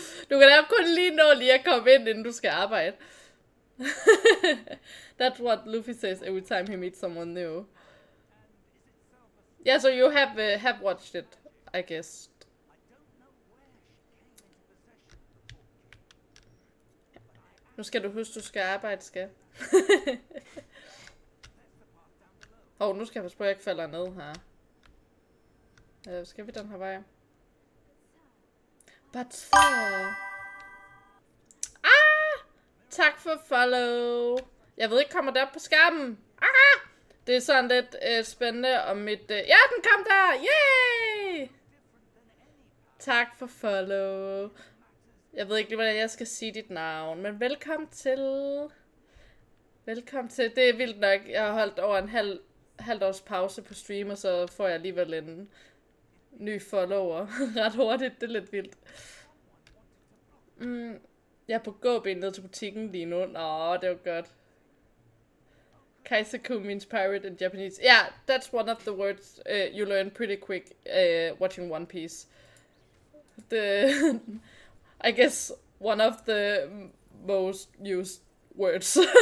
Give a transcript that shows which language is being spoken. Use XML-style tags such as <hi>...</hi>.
<da>Du kan da kun lige nå lige at komme ind, inden du skal arbejde.</da> <en>That's what Luffy says every time he meets someone new. Yeah, so you have watched it, I guess.</en> <da>Nu skal du huske, du skal arbejde, skal. Hov, nu skal jeg passe på, at jeg ikke falder ned her. Skal vi den her vej?</da> <en>But for... Ah!</en> <da>Tak for follow! Jeg ved ikke, kommer der på skærmen? Ah! Det er sådan lidt spændende om mit... Ja, den kom der! Yay! Tak for follow! Jeg ved ikke lige, hvordan jeg skal sige dit navn, men velkommen til. Velkommen til. Det er vildt nok. Jeg har holdt over en halv års pause på stream, og så får jeg alligevel en ny follower ret hurtigt. Det er lidt vildt. Jeg er på gåben ned til butikken lige nu. Nå, det var godt.</da> <en>Kaisaku means pirate in Japanese. Yeah, that's one of the words you learn pretty quick watching One Piece. The... I guess one of the most used words.</en>